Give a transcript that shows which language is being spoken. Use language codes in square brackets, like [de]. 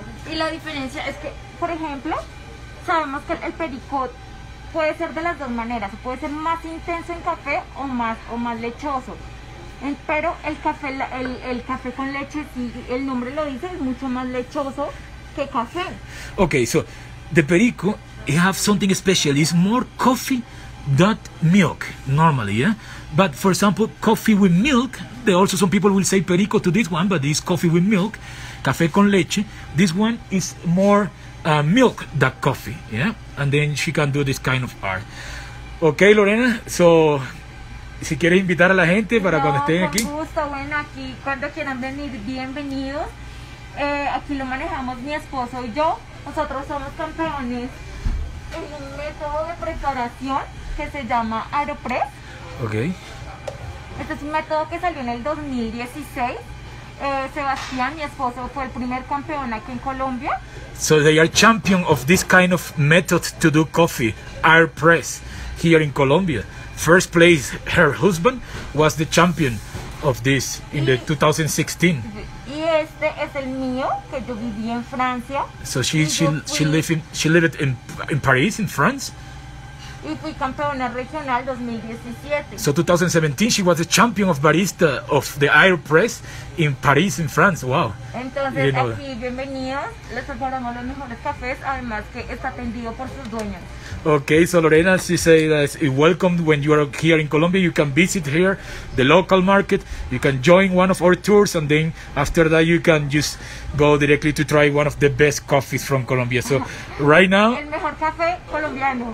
[es] Y la diferencia es que, por ejemplo, sabemos que el perico puede ser de las dos maneras. Puede ser más intenso en café o más lechoso. Pero el café con leche, si el nombre lo dice, es mucho más lechoso. [en] Okay, so the perico, it has something special. It's more coffee than milk normally, yeah? But for example, coffee with milk, there also some people will say perico to this one, but it's coffee with milk, café con leche. This one is more milk than coffee, yeah? And then she can do this kind of art. Okay, Lorena, so [es] si quieres invitar a la gente para cuando estén aquí. Con gusto, bueno, aquí, cuando quieran venir, bienvenidos. Aquí lo manejamos mi esposo y yo. Nosotros somos campeones en un método de preparación que se llama Aeropress. [en] Okay. [es] Este es un método que salió en el 2016. Sebastián, mi esposo, fue el primer campeón aquí en Colombia. [en] So they are champion of this kind of method to do coffee, Aeropress, here in Colombia. First place, her husband was the champion of this in the 2016. [es] Y este es el mío, que yo viví en Francia. [en] So she lived in Paris, in France. [es] Y fui campeona regional 2017. [en] So 2017 she was the champion of barista of the Aeropress in Paris, in France. Wow. [es] Entonces, aquí, bienvenidos. Les preparamos los mejores cafés, además que está atendido por sus dueños. [en] Okay, so Lorena, she said that it's welcome when you are here in Colombia. You can visit here, the local market. You can join one of our tours, and then after that, you can just go directly to try one of the best coffees from Colombia. So right now, [es] el mejor café colombiano.